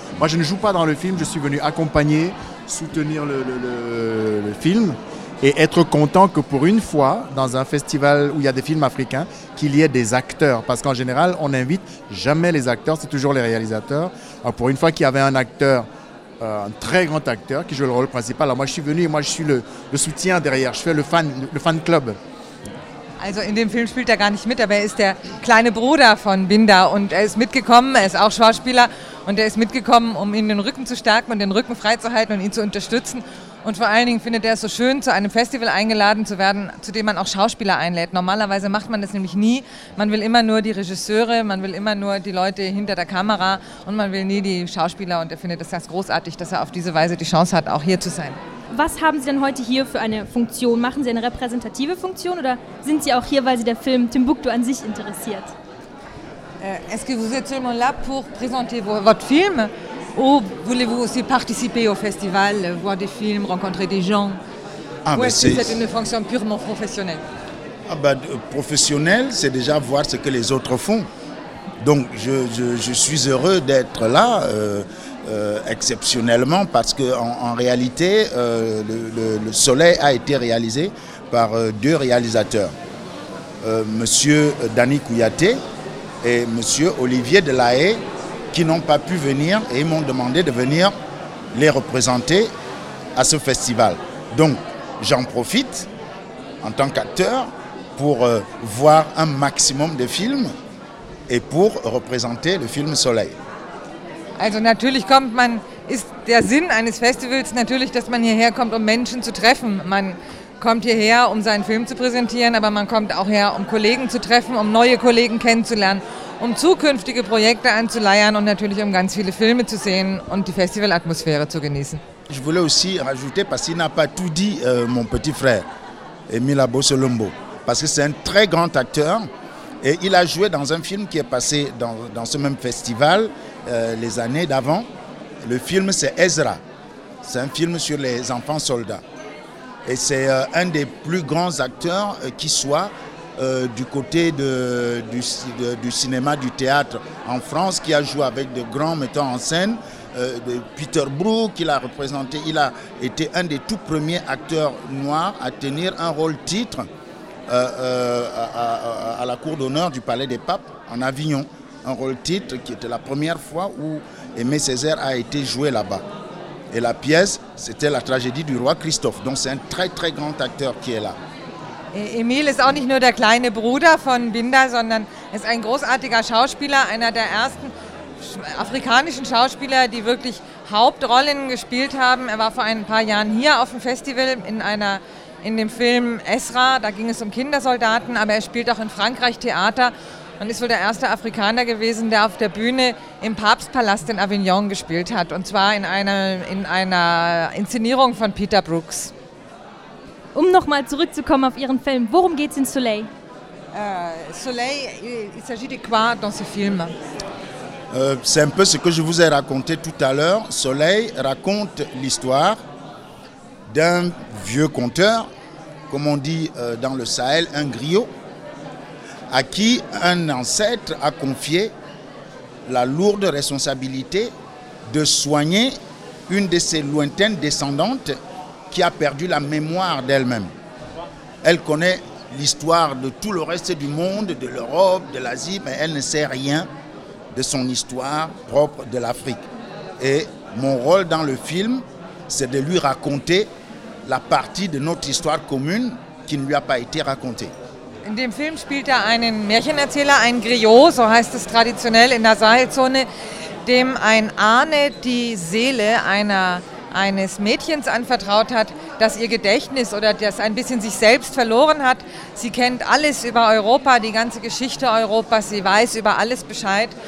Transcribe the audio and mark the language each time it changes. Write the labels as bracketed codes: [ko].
[fr] Moi, je ne joue pas dans le film, je suis venu accompagner, soutenir le film et être content que pour une fois, dans un festival où il y a des films africains, qu'il y ait des acteurs. Parce qu'en général, on n'invite jamais les acteurs, c'est toujours les réalisateurs. Alors, pour une fois qu'il y avait un acteur, un très grand acteur qui joue le rôle principal. Alors moi je suis venu, moi je suis le soutien derrière, je fais le fan club. [de] Also in dem Film spielt er gar nicht mit, aber er ist der kleine Bruder von Binda und er ist mitgekommen, er ist auch Schauspieler und er ist mitgekommen, um ihn den Rücken zu stärken und den Rücken freizuhalten und ihn zu unterstützen. Und vor allen Dingen findet er es so schön, zu einem Festival eingeladen zu werden, zu dem man auch Schauspieler einlädt. Normalerweise macht man das nämlich nie. Man will immer nur die Regisseure, man will immer nur die Leute hinter der Kamera und man will nie die Schauspieler. Und er findet es ganz großartig, dass er auf diese Weise die Chance hat, auch hier zu sein. Was haben Sie denn heute hier für eine Funktion? Machen Sie eine repräsentative Funktion oder sind Sie auch hier, weil Sie der Film Timbuktu an sich interessiert? [fr] Est-ce que vous êtes seulement là pour présenter votre film? Ou voulez-vous aussi participer au festival, voir des films, rencontrer des gens? Ah, ou est-ce que c'est une fonction purement professionnelle? Ah bah, professionnelle, c'est déjà voir ce que les autres font. Donc je suis heureux d'être là, exceptionnellement, parce qu'en réalité, le Soleil a été réalisé par deux réalisateurs. Monsieur Danny Kouyaté et Monsieur Olivier Delahaye, qui n'ont pas pu venir et ils m'ont demandé de venir les représenter à ce festival. Donc j'en profite en tant qu'acteur pour voir un maximum de films et pour représenter le film Soleil. [de] Also natürlich kommt man, ist der Sinn eines Festivals natürlich, dass man hierher kommt, um Menschen zu treffen. Man kommt hierher, um seinen Film zu präsentieren, aber man kommt auch her, um Kollegen zu treffen, um neue Kollegen kennenzulernen, um zukünftige Projekte anzuleiern und natürlich um ganz viele Filme zu sehen und die Festivalatmosphäre zu genießen. [fr] Je voulais aussi rajouter, parce qu'il n'a pas tout dit, mon petit frère, Emile Abosolumbo, parce que c'est un très grand acteur et il a joué dans un film qui est passé dans ce même festival les années d'avant. Le film, c'est Ezra. C'est un film sur les enfants soldats. Et c'est un des plus grands acteurs qui soit du côté du cinéma, du théâtre en France, qui a joué avec de grands metteurs en scène, de Peter Brook, il a représenté, il a été un des tout premiers acteurs noirs à tenir un rôle titre à la cour d'honneur du Palais des Papes en Avignon. Un rôle titre qui était la première fois où Aimé Césaire a été joué là-bas. Et la pièce, c'était la tragédie du roi Christophe. Donc c'est un très très grand acteur qui est là. [de] Emil ist auch nicht nur der kleine Bruder von Binda, sondern ist ein großartiger Schauspieler, einer der ersten afrikanischen Schauspieler, die wirklich Hauptrollen gespielt haben. Er war vor ein paar Jahren hier auf dem Festival in dem Film Ezra, da ging es um Kindersoldaten, aber er spielt auch in Frankreich Theater Und ist wohl der erste Afrikaner gewesen, der auf der Bühne im Papstpalast in Avignon gespielt hat. Und zwar in einer Inszenierung von Peter Brooks. Um nochmal zurückzukommen auf Ihren Film, worum geht es in Soleil? [fr] Soleil, il s'agit de quoi dans ce film? C'est un peu ce que je vous ai raconté tout à l'heure. Soleil raconte l'histoire d'un vieux conteur, comme on dit dans le Sahel, un griot, à qui un ancêtre a confié la lourde responsabilité de soigner une de ses lointaines descendantes qui a perdu la mémoire d'elle-même. Elle connaît l'histoire de tout le reste du monde, de l'Europe, de l'Asie, mais elle ne sait rien de son histoire propre de l'Afrique. Et mon rôle dans le film, c'est de lui raconter la partie de notre histoire commune qui ne lui a pas été racontée. [de] In dem Film spielt er einen Märchenerzähler, einen Griot, so heißt es traditionell in der Sahelzone, dem ein Ahne die Seele eines Mädchens anvertraut hat, das ihr Gedächtnis oder das ein bisschen sich selbst verloren hat. Sie kennt alles über Europa, die ganze Geschichte Europas, sie weiß über alles Bescheid.